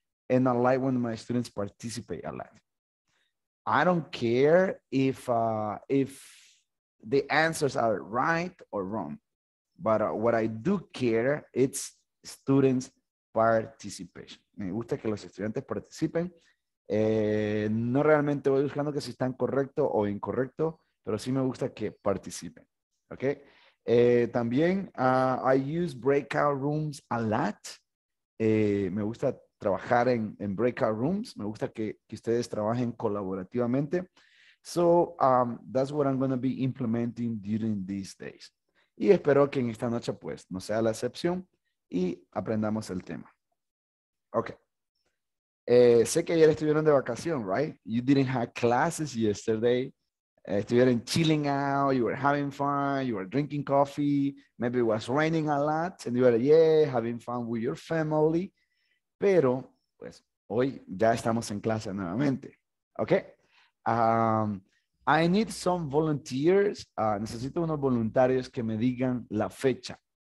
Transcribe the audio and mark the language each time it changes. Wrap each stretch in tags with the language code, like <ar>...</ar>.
<en>And I like when my students participate a lot. I don't care if the answers are right or wrong. But what I do care, it's students' participation.</en> <es>Me gusta que los estudiantes participen. No realmente voy buscando que si están correcto o incorrecto, pero sí me gusta que participen.</es> <en>Okay, también I use breakout rooms a lot.</en> <es>Me gusta trabajar en breakout rooms. Me gusta que ustedes trabajen colaborativamente.</es> <en>So that's what I'm going to be implementing during these days.</en> <es>Y espero que en esta noche pues no sea la excepción y aprendamos el tema. Okay. Sé que ayer estuvieron de vacación, right?</es> <en>You didn't have classes yesterday. Estuvieron chilling out, you were having fun, you were drinking coffee, maybe it was raining a lot, and you were, yeah, having fun with your family.</en> <es>Pero, pues, hoy ya estamos en clase nuevamente. Okay?</es> <en>I need some volunteers.</en> <es>Necesito unos voluntarios que me digan la fecha.</es>